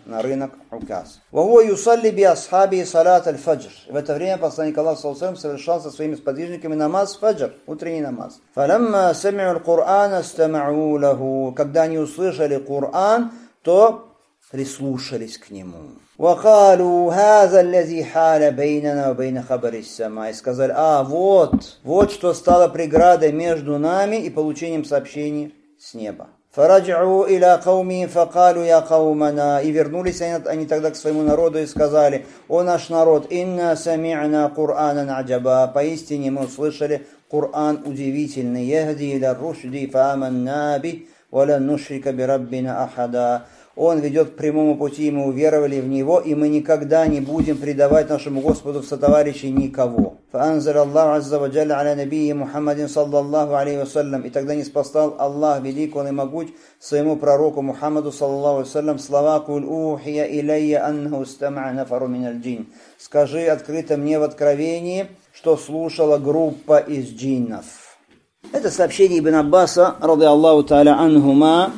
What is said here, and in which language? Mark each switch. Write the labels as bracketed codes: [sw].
[ru] На рынок [ar] Укас. Ва-ху юсалли би асхаби салат аль-фаджр. [ru] В это время посланник Аллаха, [ar] салаллаху алейхи ва саллям, [ru] совершал со своими сподвижниками намаз фаджр, утренний намаз. [ar] Фалямма самиу аль-Куран астама'у лаху. [ru] Когда они услышали Куран, то прислушались к нему. [ar] وقالوا هذا الذي حال بيننا وبين خبر السماء. [ru] И сказали, а вот, вот что стало преградой между нами и получением сообщений с неба. [ar] فرجعوا إلى قومهم فقالوا يا قومنا. [ru] И вернулись они тогда к своему народу и сказали, о наш народ, [ar] إنا سمعنا قرآنا عجبا. [ru] Поистине мы услышали Коран удивительный. [ar] يهدي إلى الرشد فآمنا به ولن نشرك بربنا أحدا. [ru] Он ведет к прямому пути, и мы уверовали в него, и мы никогда не будем предавать нашему Господу в сотоварищи никого. [ar] فأنزل الله عز وجل على نبيه محمد صلى الله عليه وسلم. [ru] И тогда ниспослал Аллах Велик, Он и Могуч, своему пророку Мухаммаду [ar] صلى الله عليه وسلم [ru] слова [ar] «Куль ухия илейя аннаху стама'а нафару мин аль-джин». [ru] Скажи открыто мне в откровении, что слушала группа из джиннов. Это сообщение Ибн Аббаса, [ar] رضي الله تعالى عنهما.